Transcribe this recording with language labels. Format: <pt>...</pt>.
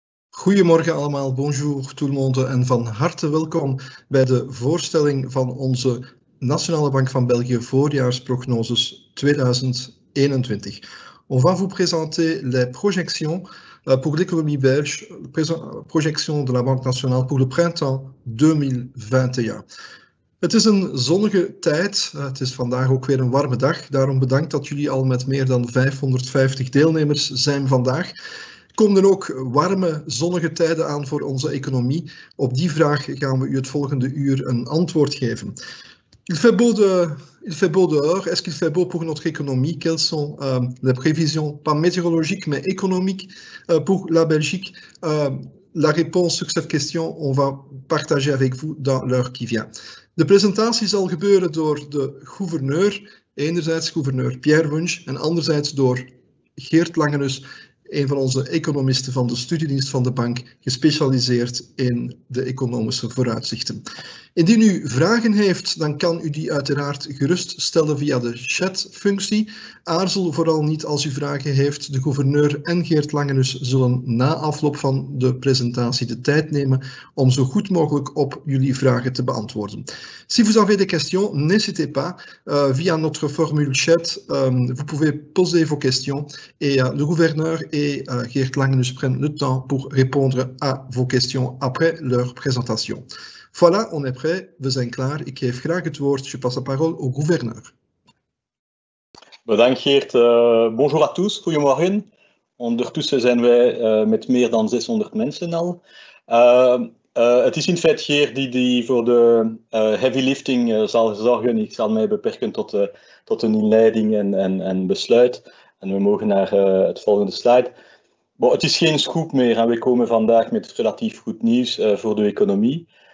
<nl>Goedemorgen allemaal,</nl> <fr>bonjour tout le monde</fr> <nl>en van harte welkom bij de voorstelling van onze Nationale Bank van België voorjaarsprognoses 2021.</nl> <fr>On va vous présenter les projections pour l'économie belge, projections de la Banque nationale pour le printemps 2021.</fr> <nl>Het is een zonnige tijd, het is vandaag ook weer een warme dag, daarom bedankt dat jullie al met meer dan 550 deelnemers zijn vandaag. Komen er ook warme, zonnige tijden aan voor onze économie? Op die vraag gaan we u het volgende uur een antwoord geven.</nl> <fr>Il fait beau dehors. Est-ce qu'il fait beau pour notre économie? Quelles sont les prévisions, pas météorologiques, mais économiques pour la Belgique? La réponse sur cette question, on va partager avec vous dans l'heure qui vient.</fr> <nl>De présentatie zal gebeuren door de gouverneur, enerzijds gouverneur Pierre Wunsch en anderzijds door Geert Langenus. Een van onze economisten van de studiedienst van de bank, gespecialiseerd in de economische vooruitzichten. Indien u vragen heeft, dan kan u die uiteraard geruststellen via de chatfunctie. Aarzel vooral niet als u vragen heeft. De gouverneur en Geert Langenus zullen na afloop van de presentatie de tijd nemen om zo goed mogelijk op jullie vragen te beantwoorden.</nl> <fr>Si vous avez des questions, n'hésitez pas via notre formule chat. Vous pouvez poser vos questions et le gouverneur et Geert Langenus prennent le temps pour répondre à vos questions après leur présentation. Voilà, on est prêt,</fr> <nl>we zijn klaar. Ik geef graag het woord,</nl> <fr>je passe la parole au gouverneur.</fr> <nl>Bedankt Geert.</nl> <fr>Bonjour à tous,</fr> <nl>goedemorgen. Ondertussen zijn wij met meer dan 600 mensen al. Het is in feite Geert die voor de</nl> <en>heavy lifting</en> <nl>zal zorgen. Ik zal mij beperken tot een inleiding en besluit. En we mogen naar het volgende slide. Bon, het is geen scoop meer en we komen vandaag met relatief goed nieuws voor de economie.</nl>